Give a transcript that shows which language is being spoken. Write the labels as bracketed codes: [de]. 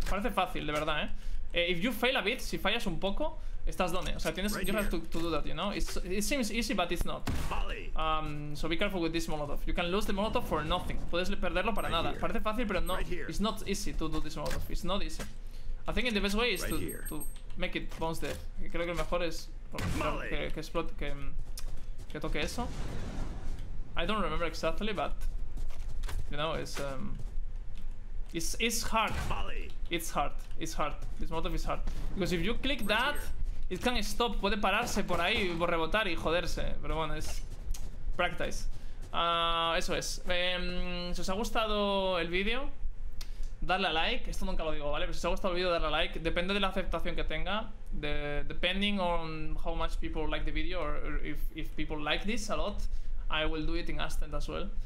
[es] Parece fácil, de verdad, eh. [en] If you fail a bit, [es] si fallas un poco, estás done. O sea, tienes... [en] Right you have to do that, you know? It seems easy, but it's not. Molly. So be careful with this Molotov. You can lose the Molotov for nothing. [es] Puedes perderlo para [en] right [es] nada. [en] Here. [es] Parece fácil, pero no. [en] Right it's not easy to do this Molotov. It's not easy. I think the best way is right to... Make it bounce there. [es] Creo que el mejor es que explote, que toque eso. [en] I don't remember exactly, but you know, it's hard. Molly. It's hard. It's hard. This motif is hard. Because if you click right that, here. It can stop. [es] Puede pararse por ahí y rebotar y joderse. Pero bueno, es practice. Eso es. Si os ha gustado el vídeo. Darle a like, esto nunca lo digo, ¿vale? Pero si os ha gustado el vídeo, darle a like. Depende de la aceptación que tenga. [en] Depending on how much people like the video or if people like this a lot, I will do it in Ascent as well.